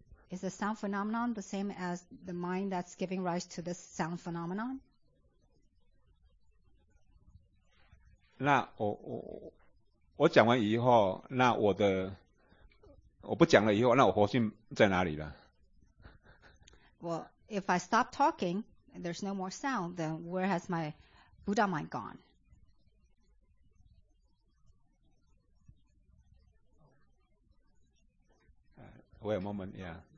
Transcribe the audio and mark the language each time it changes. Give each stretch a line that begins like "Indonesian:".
English: Is the sound phenomenon the same as the mind that's giving rise to this sound phenomenon?
Chinese: 那我讲完以后，那我不讲了以后，那我佛性在哪里了？
English: Well, if I stop talking, there's no more sound, then where has my Buddha mind gone?
Chinese: 我有 moment, yeah.